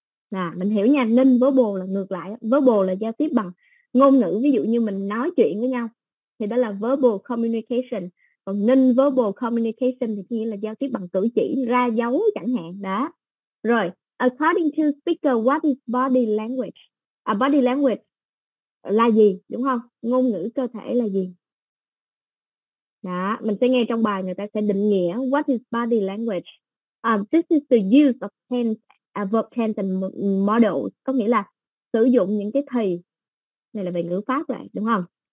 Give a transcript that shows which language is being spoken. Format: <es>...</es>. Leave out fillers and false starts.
<vi>Là mình hiểu nha, nên verbal là ngược lại, verbal là giao tiếp bằng ngôn ngữ, ví dụ như mình nói chuyện với nhau thì đó là verbal communication, còn nên verbal communication thì có nghĩa là giao tiếp bằng cử chỉ, ra dấu chẳng hạn đó.</vi> <en>Rồi, according to speaker, what is body language?</en> <vi>Body language là gì, đúng không? Ngôn ngữ cơ thể là gì? Đó, mình sẽ nghe trong bài, người ta sẽ định nghĩa</vi> <en>what is body language. This is the use of tense, verb tense and modals,</en> <vi>có nghĩa là sử dụng những cái thì, này là về ngữ pháp lại, đúng không?</vi>